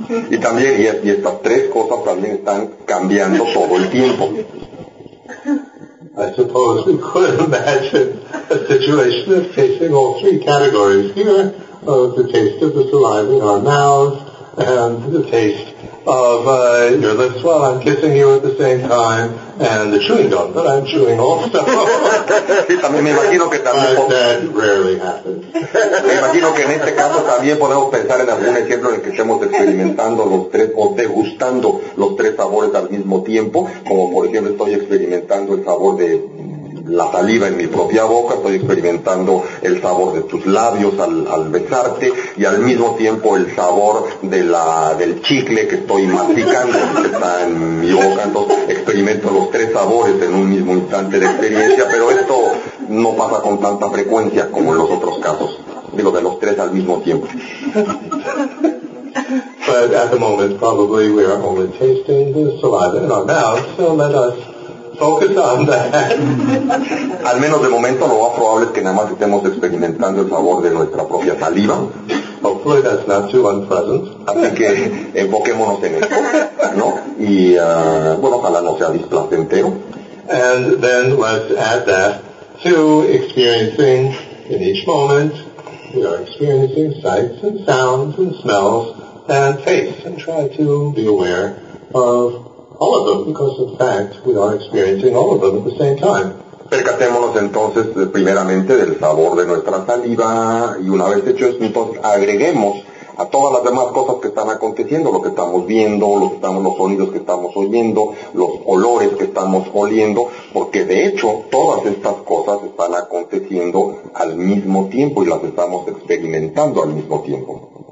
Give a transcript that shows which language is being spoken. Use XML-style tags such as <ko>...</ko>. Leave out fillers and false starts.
<es>Y también, y estas tres cosas también están cambiando todo el tiempo.</es> <en>I suppose we could imagine a situation of tasting all three categories here, the taste of the saliva in our mouths, and the taste of your lips while I'm kissing you at the same time, and the chewing gum that I'm chewing also.</en> <es>Sí, también me imagino que también.</es> <en>But that rarely happens.</en> <es>Me imagino que en este caso también podemos pensar en algún ejemplo en el que estemos experimentando los tres o degustando los tres sabores al mismo tiempo, como por ejemplo estoy experimentando el sabor de la saliva en mi propia boca, estoy experimentando el sabor de tus labios al besarte, y al mismo tiempo el sabor de del chicle que estoy masticando, que está en mi boca. Entonces experimento los tres sabores en un mismo instante de experiencia, pero esto no pasa con tanta frecuencia como en los otros casos, digo, de los tres al mismo tiempo.</es> <en>But at the moment probably we are only tasting the saliva in our mouth, so let us focus on that.</en> <es>Al menos de momento lo más probable es que nada más estemos experimentando el sabor de nuestra propia saliva.</es> <en>Hopefully that's not too unpleasant.</en> <es>Así que enfoquémonos en esto, ¿no? Y bueno, ojalá no sea displacentero.</es> <en>And then let's add that to experiencing in each moment. We are experiencing sights and sounds and smells and tastes, and try to be aware of all of them, because in fact we are experiencing all of them at the same time.</en> <es>Percatémonos entonces primeramente del sabor de nuestra saliva, y una vez hecho esto, entonces agreguemos a todas las demás cosas que están aconteciendo, lo que estamos viendo, los sonidos que estamos oyendo, los olores que estamos oliendo, porque de hecho todas estas cosas están aconteciendo al mismo tiempo y las estamos experimentando al mismo tiempo.</es>